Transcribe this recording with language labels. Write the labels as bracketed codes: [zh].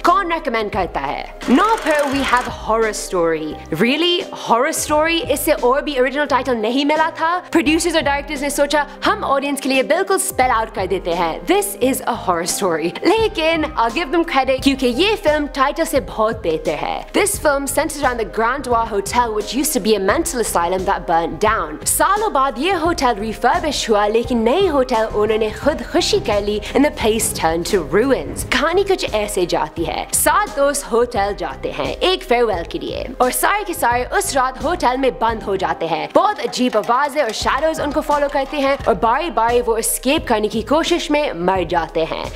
[hi] कौन रेकमेंड करता है? [en] Now for we have horror story. [hi] Really horror story? इससे और भी ओरिजिनल टाइटल नहीं मिला था? प्रोड्यूसर्स और डायरेक्टर्स ने सोचा हम ऑडियंस के लिए बिल्कुल स्पेल आउट कर देते हैं. [en] This is a horror story. [hi] लेकिन [en] I'll give them credit [hi] क्योंकि ये फिल्म टाइटल से बहुत बेहतर है. [en] This film centers around the Grand Wah Hotel, which used to be a mental asylum that burnt down. [hi] सालों बाद ये होटल रिफर्बिश हुआ, लेकिन नए होटल ओनर ने खुद खुशी कर ली [en] and the place turned to ruins. [hi] कहानी कुछ ऐसे जाती है. सात दोस्त होटल जाते हैं एक फेयरवेल के लिए और सारे के सारे उस रात होटल में बंद हो जाते हैं. बहुत अजीब आवाजें और शैडोज उनको फॉलो करते हैं और बारी बारी वो एस्केप करने की कोशिश में मर जाते हैं.